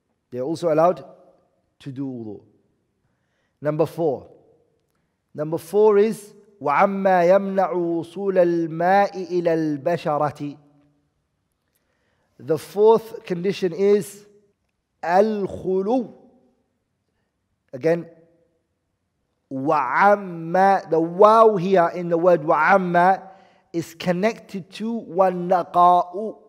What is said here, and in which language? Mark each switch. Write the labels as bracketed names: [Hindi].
[English] They are also allowed to do wudu. Number four is, [Arabic] وَعَمَّا يَمْنَعُ وُصُولَ الْمَاءِ إِلَى الْبَشَرَةِ. [English] The fourth condition is الْخُلُو. Again, وَعَمَّا. The wow here in the word وَعَمَّا is connected to وَالنَّقَاءُ.